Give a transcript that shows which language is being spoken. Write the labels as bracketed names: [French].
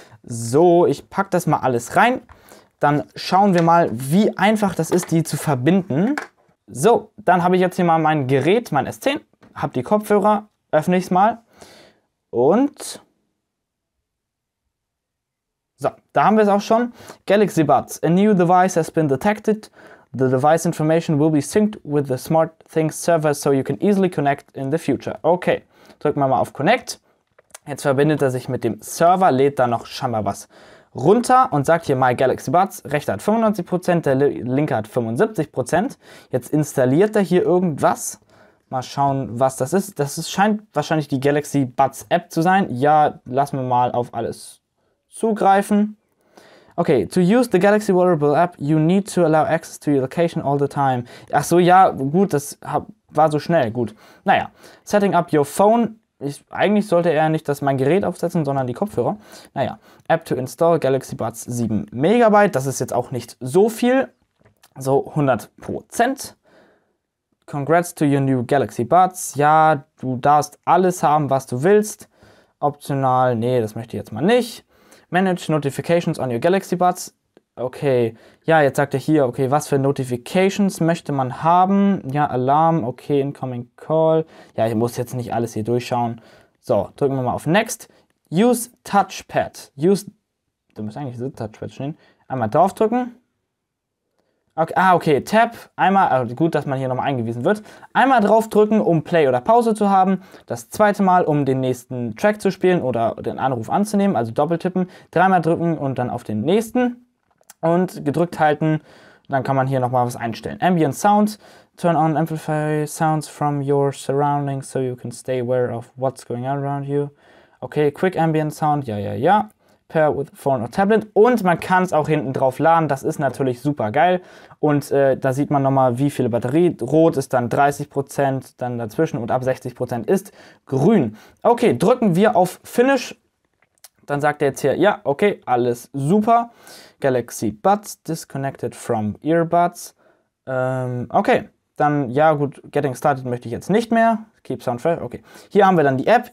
[German] So, ich packe das mal alles rein. Dann schauen wir mal, wie einfach das ist, die zu verbinden. So, dann habe ich jetzt hier mal mein Gerät, mein S10. Habe die Kopfhörer, öffne ich es mal. Und so, da haben wir es auch schon. [English] Galaxy Buds, a new device has been detected. The device information will be synced with the SmartThings server, so you can easily connect in the future. [German] Okay, drücken wir mal auf Connect. Jetzt verbindet er sich mit dem Server, lädt da noch scheinbar was runter und sagt hier My Galaxy Buds. Rechter hat 95%, der linke hat 75%. Jetzt installiert er hier irgendwas. Mal schauen, was das ist. Das scheint wahrscheinlich die Galaxy Buds App zu sein. Ja, lassen wir mal auf alles zugreifen. [English] Okay, to use the Galaxy Wearable App, you need to allow access to your location all the time. [German] Ach so, ja, gut, das war so schnell, gut. [English] Naja, setting up your phone. [German] Eigentlich sollte er nicht das mein Gerät aufsetzen, sondern die Kopfhörer. Naja, [English] App to install Galaxy Buds 7 MB. [German] Das ist jetzt auch nicht so viel. So 100%. [English] Congrats to your new Galaxy Buds. [German] Ja, du darfst alles haben, was du willst. Optional, nee, das möchte ich jetzt mal nicht. [English] Manage Notifications on your Galaxy Buds. [German] Okay, ja, jetzt sagt er hier, okay, was für Notifications möchte man haben? Ja, Alarm, okay, Incoming Call. Ja, ich muss jetzt nicht alles hier durchschauen. So, drücken wir mal auf Next. Use Touchpad. Du musst eigentlich das Touchpad stehen. Einmal drauf drücken. Okay, okay, Tab. Einmal, also gut, dass man hier nochmal eingewiesen wird. Einmal drauf drücken, um Play oder Pause zu haben. Das zweite Mal, um den nächsten Track zu spielen oder den Anruf anzunehmen, also doppeltippen. Dreimal drücken und dann auf den nächsten. Und gedrückt halten, dann kann man hier nochmal was einstellen. [English] Ambient Sound. Turn on amplify sounds from your surroundings, so you can stay aware of what's going on around you. Okay, Quick Ambient Sound, ja, ja, ja. Pair with phone or tablet [German] und man kann es auch hinten drauf laden, das ist natürlich super geil und da sieht man nochmal, wie viele Batterie, rot ist dann 30%, dann dazwischen und ab 60% ist grün. Okay, drücken wir auf Finish, dann sagt er jetzt hier, ja, okay, alles super, [English] Galaxy Buds disconnected from earbuds, [German] okay, dann, ja gut, getting started möchte ich jetzt nicht mehr, Keep Sound Fresh, okay. Hier haben wir dann die App.